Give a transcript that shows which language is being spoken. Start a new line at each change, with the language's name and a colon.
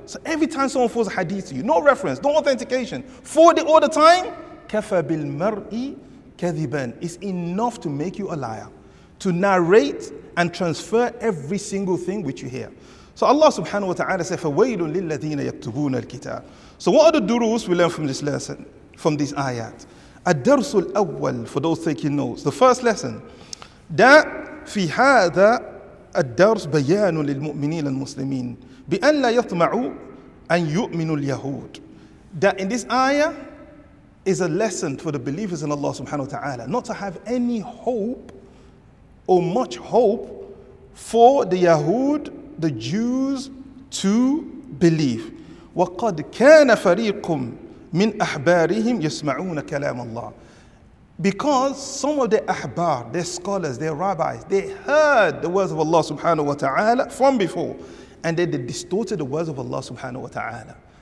English: So every time someone falls a hadith to you, no reference, no authentication, forward it all the time,
Arabic: كَفَى بِالْمَرْءِ كَذِبًا
English: It's enough to make you a liar. To narrate and transfer every single thing which you hear. So Allah subhanahu wa ta'ala said,
Arabic: فَوَيْلٌ لِلَّذِينَ يَكْتُبُونَ الْكِتَابِ
English: So what are the durus we learn from this lesson, from this ayat?
Arabic: الدرس الأول,
English: for those taking notes. The first lesson.
Arabic: That في هذا الدرس بيان للمؤمنين المسلمين بأن لا يطمعوا أن يؤمنوا اليهود.
English: That in this ayah is a lesson for the believers in Allah subhanahu wa ta'ala not to have any hope or much hope for the Yahud, the Jews, to believe.
Arabic: وَقَدْ كَانَ فَرِيقٌ مِنْ أَحْبَارِهِمْ يَسْمَعُونَ كَلَامَ اللَّهِ
English: Because some of the ahbar, their scholars, their rabbis, they heard the words of Allah subhanahu wa ta'ala from before, and they distorted the words of Allah subhanahu wa ta'ala.